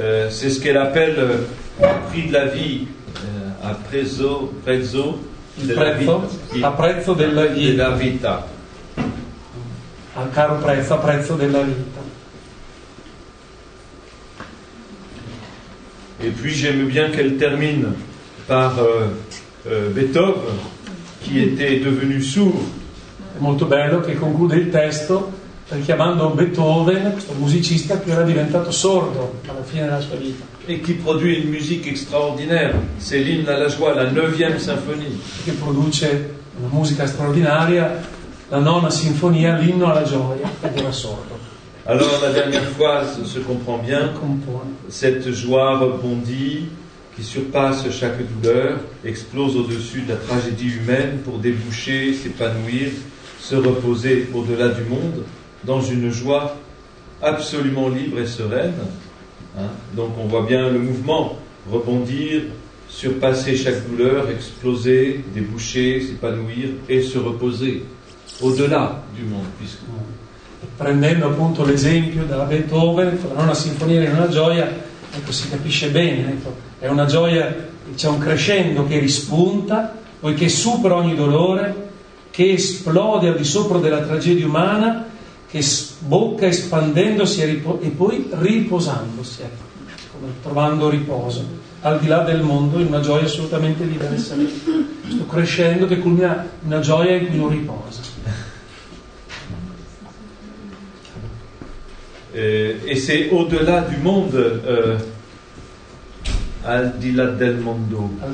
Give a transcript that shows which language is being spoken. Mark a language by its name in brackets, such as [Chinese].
[French] C'est ce qu'elle appelle le prix de la vie, [Italian] a prezzo, prezzo della vita. A prezzo della vita. Della vita. Al caro prezzo, a prezzo della vita. [French] Et puis j'aime bien qu'elle termine par Beethoven, qui était devenu sourd. [Italian] È molto bello che conclude il testo richiamando Beethoven, questo musicista che era diventato sordo alla fine della sua vita. [French] Et qui produit une musique extraordinaire, c'est l'hymne à la joie, la 9e symphonie. [Italian] Che produce una musica straordinaria, la 9ª sinfonia, l'inno alla gioia, ed era sordo. [French] Alors la dernière phrase se comprend bien. Cette joie rebondit, qui surpasse chaque douleur, explose au-dessus de la tragédie humaine pour déboucher, s'épanouir, se reposer au-delà du monde dans une joie absolument libre et sereine. Hein? Donc on voit bien le mouvement rebondir, surpasser chaque douleur, exploser, déboucher, s'épanouir et se reposer au-delà du monde, puisque [Italian] prendendo appunto l'esempio della Beethoven, la 9ª sinfonia è una gioia, ecco, si capisce bene, ecco, è una gioia, c'è un crescendo che rispunta, poi che supera ogni dolore, che esplode al di sopra della tragedia umana, che sbocca espandendosi e poi riposandosi, ecco, come trovando riposo, al di là del mondo, in una gioia assolutamente diversa. Questo crescendo che culmina in una gioia in cui non riposa. [French] Et c'est au-delà du monde, [Italian] al di là del mondo.